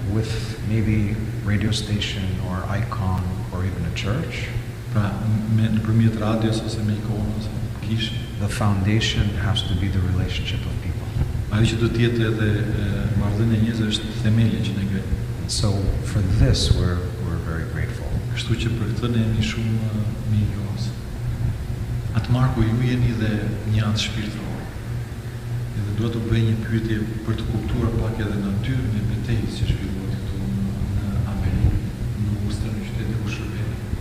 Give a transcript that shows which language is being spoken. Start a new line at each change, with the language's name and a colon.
English: with maybe radio station or icon or even a church,
Albanian: pra me nëpërmjet radios ose me ikon ose kishë.
English: The foundation has to be the relationship of people.
Albanian: Ajo që duhet të jetë edhe marrëdhënia e njerëzve është themeli që ne kemi.
English: So for this we're very grateful.
Albanian: Kështu që për këtë ne jemi shumë mirënjohës. Atë Marku, ju jeni dhe një antë shpirtëror. Edhe duhet të bëj një pyetje për të kuptuar pak edhe natyrën e betejës që zhvillohet këtu në Amerikë, në Worcester, në qytetin ku shërbeni.